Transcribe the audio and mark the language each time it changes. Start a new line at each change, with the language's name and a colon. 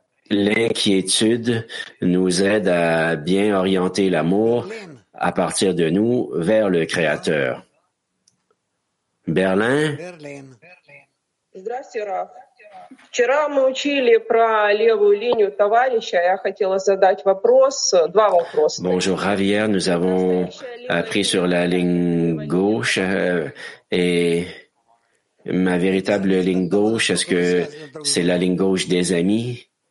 French: L'inquiétude nous aide à bien orienter l'amour à partir de nous vers le Créateur. Berlin.
Russian: Здравствуйте, Раф. Вчера мы учили про левую линию товарища. Я хотела задать вопрос, два вопроса.
French: Bonjour, Javier. Nous avons appris sur la ligne gauche et ma véritable ligne gauche, est-ce que c'est la ligne gauche des amis?